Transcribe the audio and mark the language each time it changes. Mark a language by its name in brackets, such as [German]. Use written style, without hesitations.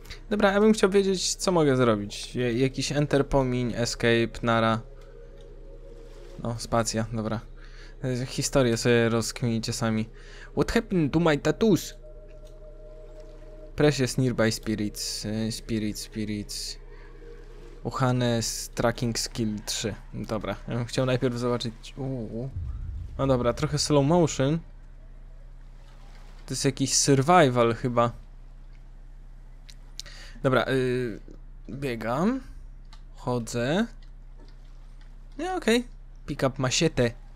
[Polish] Dobra, ja bym chciał wiedzieć, co mogę zrobić. Jakiś enter, pomiń, escape, nara. No, spacja, dobra. Historię sobie rozkminicie sami. [English] What happened to my tattoos? Precious nearby spirits. Spirits. Uhane z tracking skill 3. [Polish] Dobra, ja bym chciał najpierw zobaczyć. No dobra, trochę slow motion. To jest jakiś survival chyba. Dobra, biegam, chodzę. Nie, yeah, okej. Okay. [English] Pick up machete.